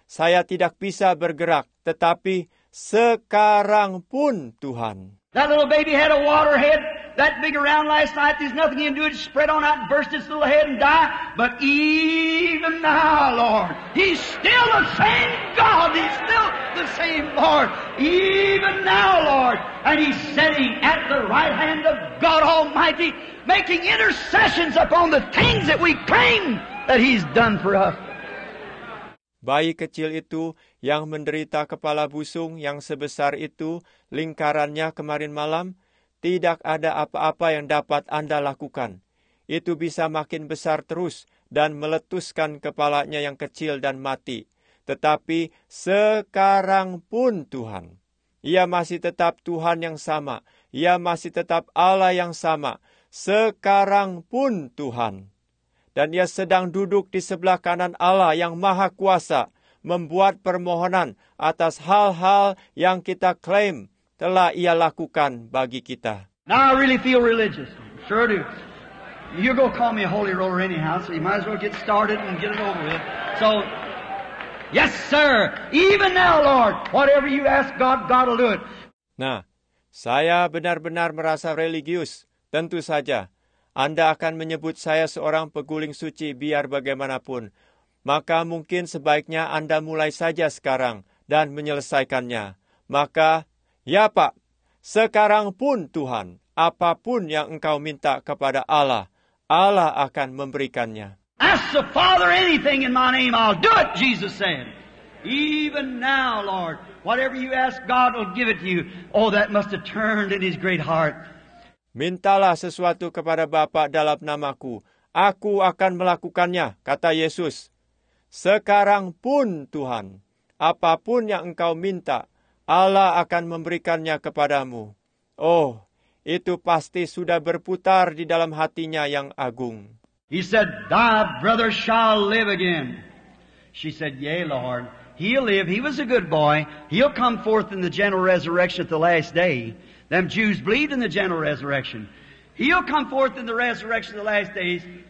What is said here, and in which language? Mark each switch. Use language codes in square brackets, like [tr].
[id] Saya tidak bisa bergerak, tetapi sekarang pun, Tuhan. [en] That little baby had a water head that big around last night. There's nothing he can do. It spread on out and burst its little head and die. But even now, Lord, he's still the same God. He's still the same Lord. Even now, Lord, and he's sitting at the right hand of God Almighty, making intercessions upon the things that we claim that he's done for us. [id] Bayi kecil itu yang menderita kepala busung yang sebesar itu, lingkarannya kemarin malam, tidak ada apa-apa yang dapat Anda lakukan. Itu bisa makin besar terus dan meletuskan kepalanya yang kecil dan mati. Tetapi sekarang pun Tuhan, ia masih tetap Tuhan yang sama, ia masih tetap Allah yang sama, sekarang pun Tuhan. Dan ia sedang duduk di sebelah kanan Allah yang Maha Kuasa, membuat permohonan atas hal-hal yang kita klaim telah ia lakukan bagi kita. [en] Now I really feel religious. Sure do. You're going to call me a holy roller anyhow, so you might as well get started and get it over with. So, yes, sir. Even now, Lord, whatever you ask God, God will do it. [id] Nah, saya benar-benar merasa religius. Tentu saja. Anda akan menyebut saya seorang peguling suci biar bagaimanapun. Maka mungkin sebaiknya Anda mulai saja sekarang dan menyelesaikannya. Maka, ya Pak, sekarang pun Tuhan, apapun yang Engkau minta kepada Allah, Allah akan memberikannya. [en] Ask the Father anything in my name, I'll do it, Jesus said. Even now, Lord, whatever you ask, God will give it to you. Oh, that must have turned in His great heart. [id] Mintalah sesuatu kepada Bapa dalam namaku. Aku akan melakukannya, kata Yesus. Sekarang pun, Tuhan, apapun yang Engkau minta, Allah akan memberikannya kepadamu. Oh, itu pasti sudah berputar di dalam hatinya yang agung. [en] He said, "Thy brother shall live again." She said, "Yea, Lord, he'll live. He was a good boy. He'll come forth in the general resurrection at the last day." Them Jews believed in the general resurrection. He'll come forth in the resurrection of the last days.